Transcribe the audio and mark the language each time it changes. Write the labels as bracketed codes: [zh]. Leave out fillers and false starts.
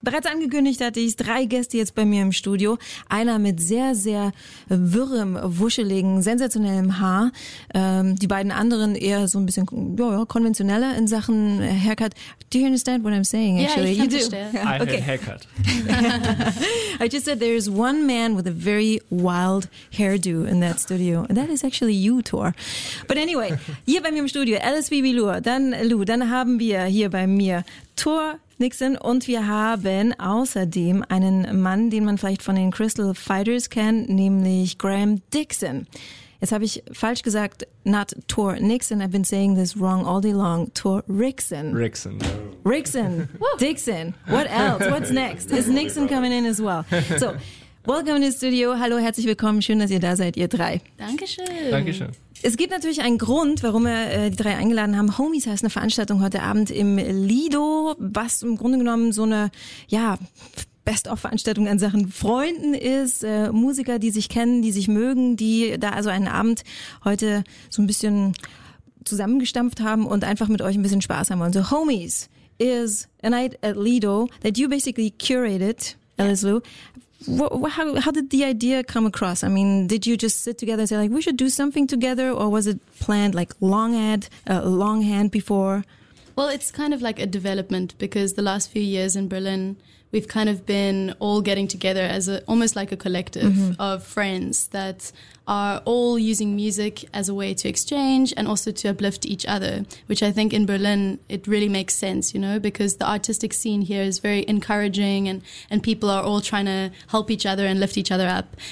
[de] bereits angekündigt hatte, ich 3 Gäste jetzt bei mir im Studio. Einer mit sehr, sehr wirrem, wuscheligen, sensationellem Haar. Die beiden anderen eher so ein bisschen konventioneller in Sachen Haircut. [en] Do you understand what I'm saying, actually? Yeah, I do. I have a haircut. I just said there is one man with a very wild hairdo in that studio. And that is actually you, Tor. [de] But anyway, hier bei mir im Studio, Alice Bibi Lur, dann Lou, dann haben wir hier bei mir Tor Nixon und wir haben außerdem einen Mann, den man vielleicht von den Crystal Fighters kennt, nämlich Graham Dixon. Jetzt habe ich falsch gesagt, [en] not Tor Nixon, I've been saying this wrong all day long, Tor Rixon. Rixon. Rixon, Dixon, what else, what's next? Is Nixon coming in as well? So, welcome in the studio, [de] hallo, herzlich willkommen, schön, dass ihr da seid, ihr drei. Dankeschön. Dankeschön. Es gibt natürlich einen Grund, warum wir die drei eingeladen haben. Homies heißt eine Veranstaltung heute Abend im Lido, was im Grunde genommen so eine, ja, Best-of-Veranstaltung an Sachen Freunden ist, Musiker, die sich kennen, die sich mögen, die da also einen Abend heute so ein bisschen zusammengestampft haben und einfach mit euch ein bisschen Spaß haben wollen. [en] So, Homies is a night at Lido that you basically curated, Alice Lou. How did the idea come across? I mean, did you just sit together and say, like, we should do something together? Or was it planned, like, longhand before? Well, it's kind of like a development, because the last few years in Berlin, we've kind of been all getting together as almost like a collective of friends that are all using music as a way to exchange and also to uplift each other, which I think in Berlin, it really makes sense, you know, because the artistic scene here is very encouraging and people are all trying to help each other and lift each other up.